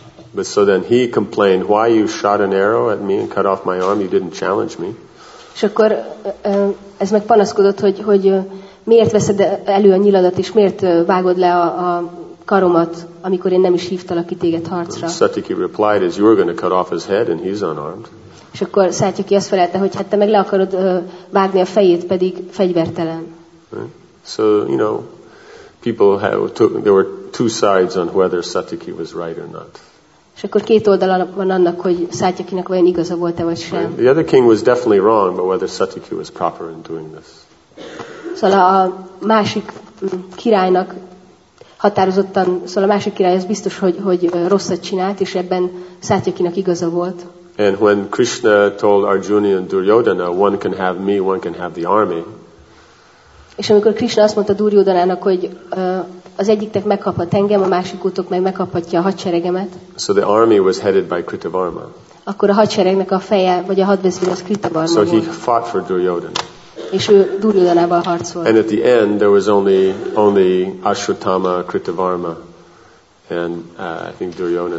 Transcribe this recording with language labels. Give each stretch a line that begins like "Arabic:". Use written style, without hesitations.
English: But so then he complained, why you shot an arrow at me and cut off my arm, you didn't challenge me.
Hungarian: És akkor ez meg panaszkodott, hogy miért veszed elő a nyiladat, és miért vágod le a karomat, amikor én nem is hívtalak ki téged harcra.
English: Satyaki replied, as you were going to cut off his head, and he's unarmed.
Hungarian: És akkor Satyaki azt felelte, hogy hát te meg le akarod vágni a fejét, pedig fegyvertelen.
English: Right. So, you know, there were two sides on whether Satyaki was right or not.
Hungarian: És akkor két oldala van annak, hogy Satyakinak vajon igaza volt-e, vagy sem.
English: Right. The other king was definitely wrong, but whether Satyaki was proper in doing this.
Hungarian: Szóval a másik királynak határozottan, szóval a másik király az biztos, hogy rosszat csinált, és ebben Szátyakinak igaza volt.
English: And when Krishna told Arjuna and Duryodhana, one can have me, one can have the army.
Hungarian: És amikor Krishna azt mondta Duryodhanának, hogy az egyiknek megkaphat engem, a másik utok meg megkaphatja a hadseregemet.
English: So the army was headed by Kritavarma.
Hungarian: Akkor a hadseregnek a feje, vagy a hadvezér az Kritavarma
English: so
Hungarian: volt.
English: So he fought for Duryodhana.
Hungarian: És ő Duryodhanával harcolt.
English: And at the end there was only Ashwatthama, Kritavarma and I think Duryodhana.